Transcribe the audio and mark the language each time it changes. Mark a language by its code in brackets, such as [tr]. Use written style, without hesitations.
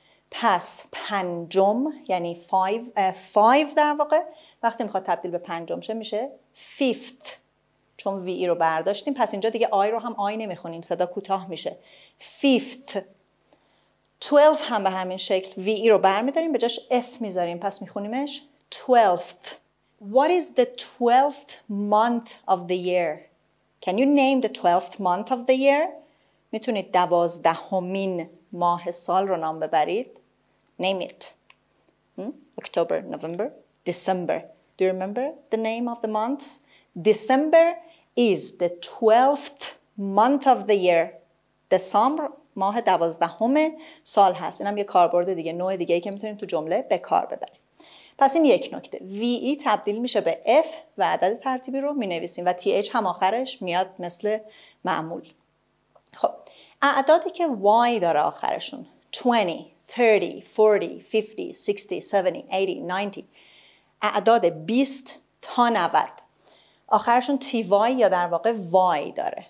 [fa] پس پنجم، یعنی 5 در واقع وقتی میخواد تبدیل به پنجم شه میشه 5th، چون وی ای رو برداشتیم. پس اینجا دیگه آی رو هم آی نمیخونیم، صدا کوتاه میشه 5th. 12 هم به همین شکل وی ای رو برمیداریم، به جاش اف میذاریم، پس میخونیمش 12th. [en] What is the 12th month of the year? Can you name the 12th month of the year? [fa] میتونید 12th ماه سال رو نام ببرید. [en] Name it. October, November, December. Do you remember the name of the months? December is the 12th month of the year. [fa] December ماه 12th سال هست. اینم یه کاربرد دیگه، نوع دیگه‌ای که میتونیم تو جمله به کار ببریم. پس این یک نکته. ve تبدیل میشه به f و عدد ترتیبی رو مینویسیم و th هم آخرش میاد مثل معمول. خب اعدادی که y داره آخرشون، 20 30 40 50 60 70 80 90، اعداد 20 تا 90 آخرشون ty یا در واقع y داره.